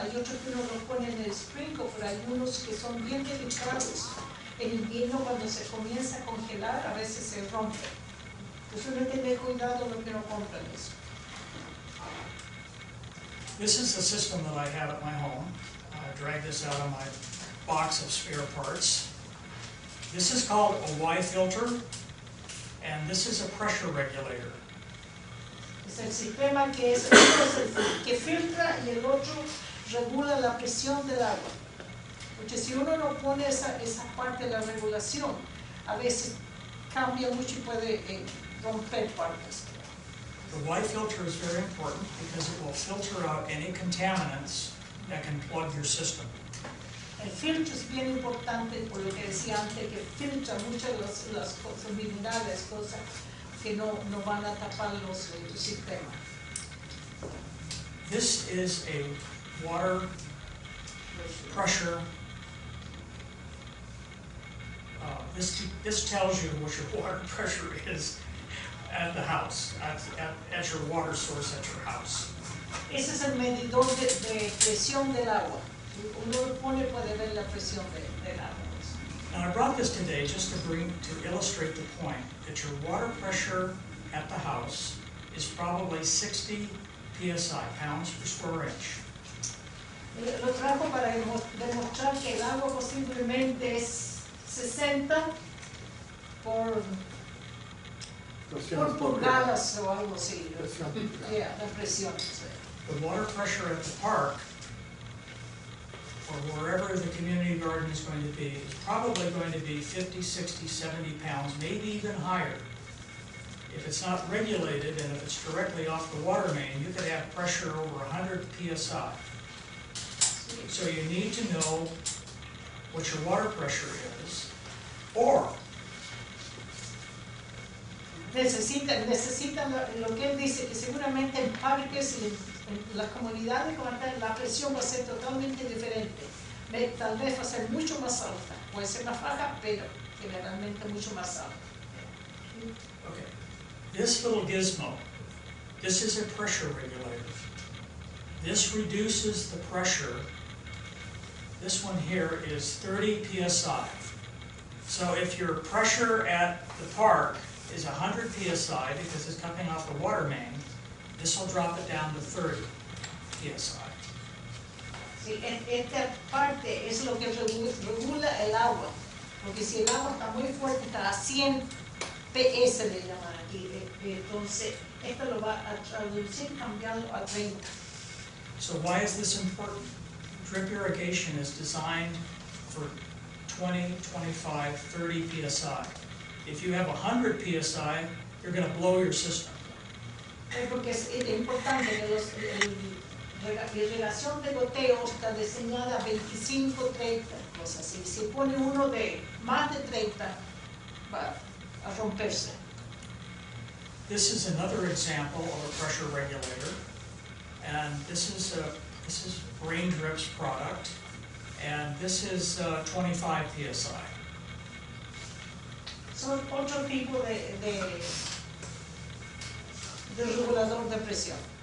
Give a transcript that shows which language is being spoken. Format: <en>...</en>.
<es>Hay otros que uno los pone en el sprinkle, pero hay unos que son bien delicados. En invierno, cuando se comienza a congelar, a veces se rompe. Entonces uno tiene cuidado lo que no compran eso.</es> <en>This is the system that I have at my home. I dragged this out of my box of spare parts. This is called a Y filter, and this is a pressure regulator.</en> <es>Es el sistema que es que filtra y el otro regula la presión del agua. Porque si uno no pone esa parte de la regulación, a veces cambia mucho y puede romper partes.</es> <en>The Y filter is very important because it will filter out any contaminants that can plug your system.</en> <es>El filtro es bien importante por lo que decía antes, que filtra muchas de las cosas, minerales, cosas que no van a tapar los sistemas.</es> <en>This is a water pressure. This tells you what your water pressure is at the house, at your water source at your house.</en> <es>Ese es el medidor de presión del agua. Uno lo pone puede ver la presión del agua.</es> <en>Now I brought this today just to illustrate the point that your water pressure at the house is probably 60 psi, pounds per square inch.</en> <es>Lo trajo para demostrar que el agua posiblemente es 60 por... Por pulgadas o algo así. Yeah, la presión.</es> <en>The water pressure at the park or wherever the community garden is going to be is probably going to be 50, 60, 70 pounds, maybe even higher. If it's not regulated and if it's directly off the water main, you could have pressure over 100 psi. So you need to know what your water pressure is, or</en> <es>Necesitan lo que él dice, que seguramente en parques y en las comunidades la presión va a ser totalmente diferente. Tal vez va a ser mucho más alta. Puede ser más baja, pero generalmente mucho más alta.</es> <en>Okay. This little gizmo, this is a pressure regulator. This reduces the pressure. This one here is 30 psi. So if your pressure at the park is 100 psi because it's coming off the water main, this will drop it down to 30 psi.</en> <es>Sí, esta parte es lo que regula el agua. Porque si el agua está muy fuerte, está a 100 psi, le llaman aquí. Entonces, esto lo va a traducir, cambiarlo a 30.</es> <en>So why is this important? Drip irrigation is designed for 20, 25, 30 psi. If you have 100 psi, you're going to blow your system.</en> <es>Porque es importante que la irrigación de goteo está diseñada 25, 30, cosas así. Si pone uno de más de 30, va a romperse.</es> <en>This is another example of a pressure regulator. And this is Brain Drip's product. And this is 25 psi.</en> <es>Son otro tipo de regulador de presión.</es>